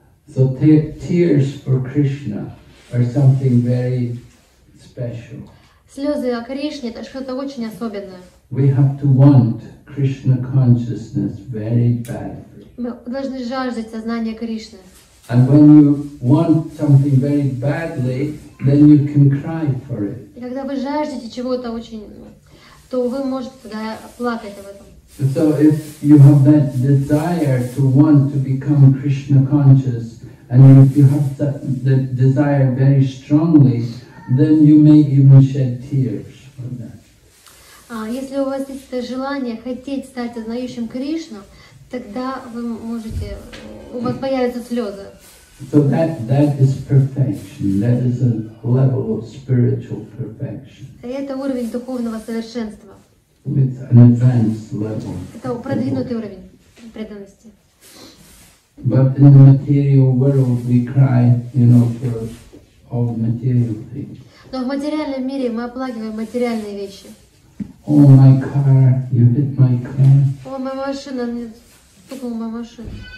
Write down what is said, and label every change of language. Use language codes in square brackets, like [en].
[en] So tears for Krishna are something very special. [ru] Слезы о Кришне это что-то очень особенное. [en] We have to want Krishna consciousness very badly. [ru] Мы должны жаждать сознания Кришны. [en] And when you want something very badly, then you can cry for it. [ru] И когда вы жаждете чего-то очень, то вы можете тогда плакать об этом. [en] So if you have that desire to want to become Krishna conscious, and if you have that desire very strongly, then you may even shed tears for that. [ru] Если у вас есть это желание хотеть стать сознающим Кришну, тогда вы можете, у вас появятся слезы. [en] So that is perfection. That is a level of spiritual perfection. [ru] Это уровень духовного совершенства. [en] With an advanced level. [ru] Это продвинутый уровень преданности. [en] But in the material world, we cry, you know, for all material things. [ru] Но в материальном мире мы оплакиваем материальные вещи. [en] Oh, my car! You hit my car! [ru] О, моя машина! Мне стукнула моя машина.